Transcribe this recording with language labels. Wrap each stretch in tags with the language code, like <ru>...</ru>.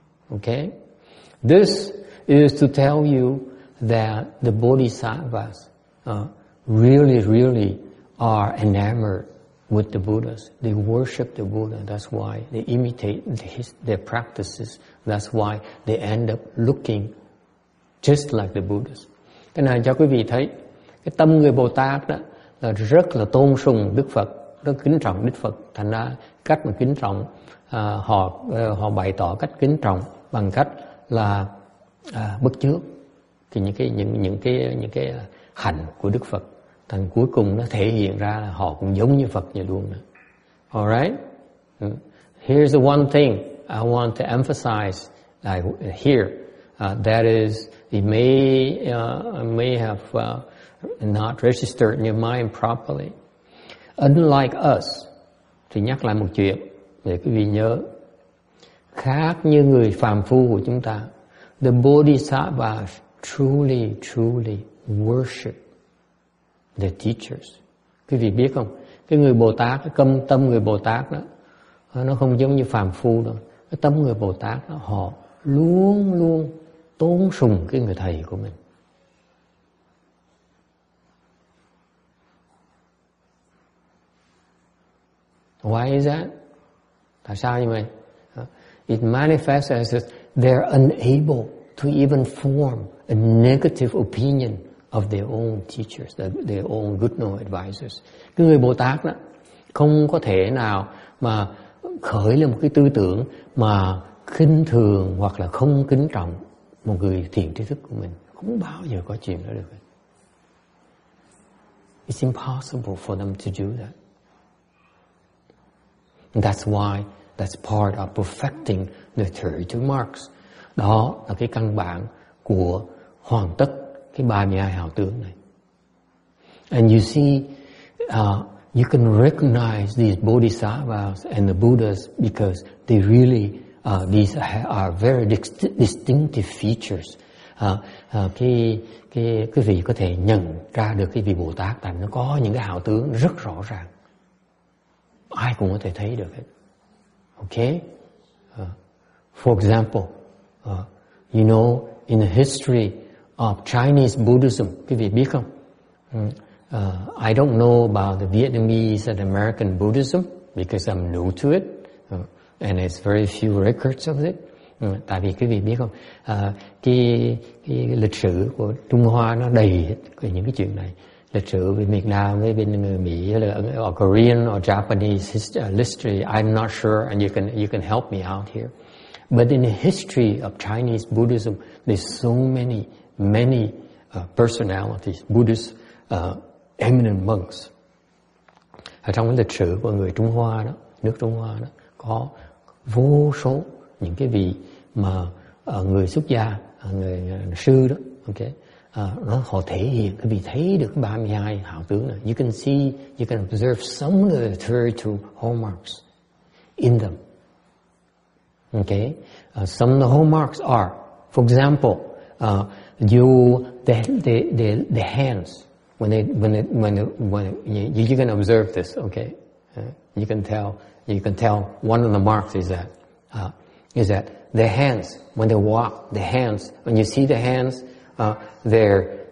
<en>Okay, this is to tell you that the Bodhisattvas really, really are enamored with the Buddhas. They worship the Buddha. That's why they imitate their practices. That's why they end up looking just like the Buddhas.</en> <vi>Cái này cho quý vị thấy cái tâm người Bồ Tát đó là rất là tôn sùng Đức Phật, rất kính trọng Đức Phật. Thành ra cách mà kính trọng họ bày tỏ cách kính trọng bằng cách là bất chước thì những cái hạnh của Đức Phật, thành cuối cùng nó thể hiện ra là họ cũng giống như Phật vậy luôn đó.</vi> <en>Alright, here's the one thing I want to emphasize here, that is, it may have not registered in your mind properly. Unlike us,</en> <vi>thì nhắc lại một chuyện để quý vị nhớ, khác như người phàm phu của chúng ta,</vi> <en>the Bodhisattvas truly, truly worship the teachers.</en> <vi>Quý vị biết không? Cái người Bồ Tát, cái câm tâm người Bồ Tát đó, nó không giống như phàm phu đâu. Cái tâm người Bồ Tát đó, họ luôn luôn tôn sùng cái người thầy của mình.</vi> <en>Why is that?</en> <vi>Tại sao như vậy?</vi> <en>It manifests as if they're unable to even form a negative opinion of their own teachers, their own good know advisors.</en> <vi>Cái người Bồ Tát đó không có thể nào mà khởi lên một cái tư tưởng mà khinh thường hoặc là không kính trọng một người thiền trí thức của mình. Không bao giờ có chuyện đó được.</vi> <en>It's impossible for them to do that. And that's why that's part of perfecting the 32 marks.</en> <vi>Đó là cái căn bản của hoàn tất cái 32 hào tướng này.</vi> <en>And you see, you can recognize these Bodhisattvas and the Buddhas because they really, these are very distinctive features.</en> <vi>Quý vị có thể nhận ra được cái vị Bồ Tát tại nó có những cái hào tướng rất rõ ràng. Ai cũng có thể thấy được hết.</vi> <en>Okay? For example, you know, in the history of Chinese Buddhism,</en> <vi>quý vị biết không?</vi> <en>I don't know about the Vietnamese and American Buddhism because I'm new to it, and there's very few records of it.</en> <vi>Tại vì quý vị biết không, cái lịch sử của Trung Hoa nó đầy hết về những cái chuyện này. Lịch sử về Việt Nam với bên người Mỹ</vi> <en>or Korean or Japanese history, I'm not sure, and you can help me out here. But in the history of Chinese Buddhism, there's so many personalities, Buddhist eminent monks.</en> <vi>Ở trong lịch sử của người Trung Hoa đó, nước Trung Hoa đó, có vô số những cái vị mà người xuất gia, người sư đó, okay, họ thể hiện, quý vị thấy được 32 hào tướng này.</vi> <en>You can observe some of the 32 hallmarks in them. Okay, some of the hallmarks are, for example, the hands, you can observe this, okay, you can tell one of the marks is that the hands, when they walk, the hands, when you see the hands, they're</en>